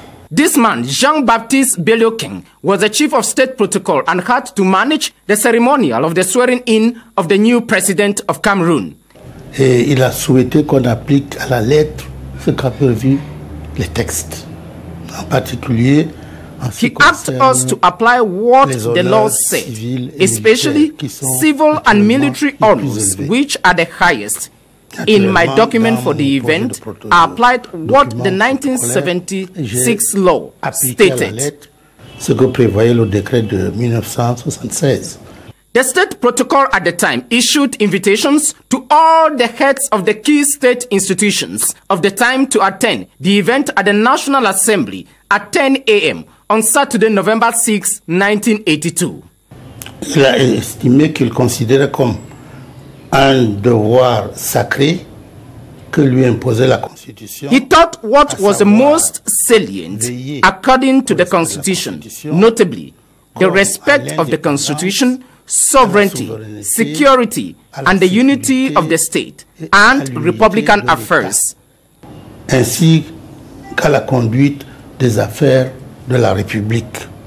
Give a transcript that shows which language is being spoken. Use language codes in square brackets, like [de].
[en] This man, Jean-Baptiste Belioking, was the chief of state protocol and had to manage the ceremonial of the swearing-in of the new president of Cameroon. [fr] Et il a souhaité qu'on applique à la lettre ce qu'a prévu le texte, en particulier. [en] He asked us to apply what the law said, especially civil and military honors, which are the highest. In my document for the event, I applied what the 1976 law stated. [fr] Ce que prévoyait le décret de 1976. [en] The state protocol at the time issued invitations to all the heads of the key state institutions of the time to attend the event at the National Assembly at 10 a.m. on Saturday, November 6, 1982. [fr] Il a estimé qu'il considérait comme un devoir sacré que lui imposait la Constitution. [en] He thought what was the most salient, according to the Constitution, notably the respect of the Constitution, sovereignty, security, and the unity of the state and republican affairs. [fr] Ainsi qu'à la conduite des affaires de la République.